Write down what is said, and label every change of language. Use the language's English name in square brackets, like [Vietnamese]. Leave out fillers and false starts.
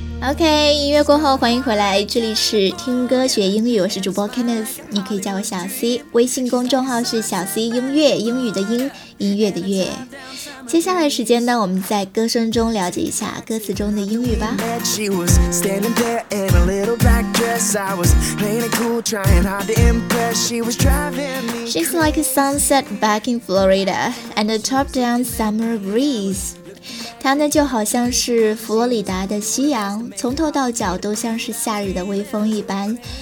[Chinese] OK， 音乐过后欢迎回来，这里是听歌学英语，我是主播 Kenneth， 你可以叫我小 C， 微信公众号是小 C 音乐，英语的音，音乐的乐。接下来时间呢，我们在歌声中了解一下歌词中的英语吧。 [English] She's like a sunset back in Florida and a top down summer breeze. [Chinese] 她呢就好像是佛罗里达的夕阳，从头到脚都像是夏日的微风一般。